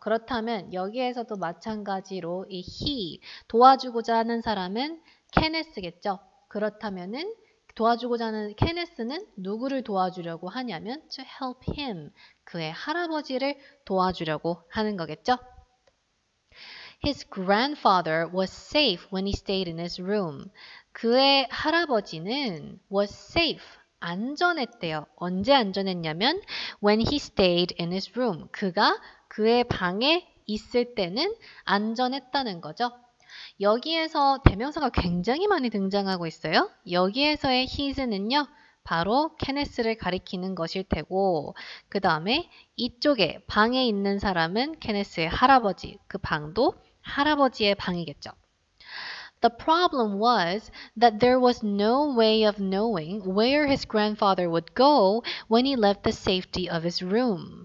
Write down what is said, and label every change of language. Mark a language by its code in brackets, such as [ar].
[ko] 그렇다면 여기에서도 마찬가지로 이 he, 도와주고자 하는 사람은 케네스겠죠. 그렇다면은 도와주고자 하는 케네스는 누구를 도와주려고 하냐면 [en] to help him, [ko] 그의 할아버지를 도와주려고 하는 거겠죠? [en] His grandfather was safe when he stayed in his room. [ko] 그의 할아버지는 [en] was safe, [ko] 안전했대요. 언제 안전했냐면 [en] when he stayed in his room, [ko] 그가 그의 방에 있을 때는 안전했다는 거죠. 여기에서 대명사가 굉장히 많이 등장하고 있어요. 여기에서의 his는요, 바로 케네스를 가리키는 것일 테고, 그 다음에 이쪽에 방에 있는 사람은 케네스의 할아버지, 그 방도 할아버지의 방이겠죠. [en] The problem was that there was no way of knowing where his grandfather would go when he left the safety of his room.